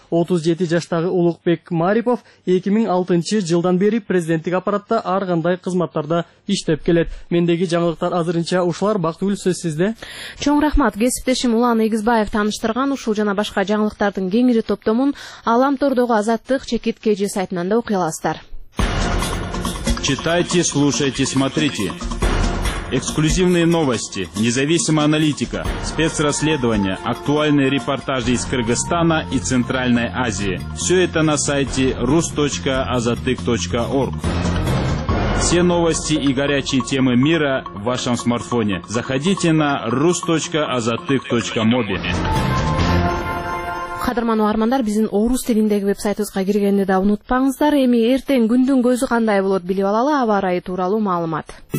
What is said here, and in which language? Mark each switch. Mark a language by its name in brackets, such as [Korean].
[Kyrgyz] 37 жаштагы Улукбек Марипов 2006 жылдан бери президенттик аппаратта ар кандай кызматтарда иштеп келет. Мендеги жаңылыктар азырынча ушулар. Бактыгүл, сөз сизде. Чоң рахмат кесиптешим Улан Эгизбаев тааныштырган ушул жана башка жаңылыктардын кеңири топтомун Аламтордогу Азаттык Чекит КЖ сайтынан да окуй аласыздар. [Russian] Читайте, слушайте, смотрите. Эксклюзивные новости, независимая аналитика, спецрасследования, актуальные репортажи из Кыргызстана и Центральной Азии. Все это на сайте rus.azatyk.org. Все новости и горячие темы мира в вашем смартфоне. Заходите на rus.azatyk.mobi. [Kyrgyz] Кадырмандуу армандар, биздин орус тилиндеги вебсайтыбызга киргенди да унутпаңыздар. Эми эртең күндүн көзү кандай болот билип алалы. Аба ырайы тууралуу маалымат.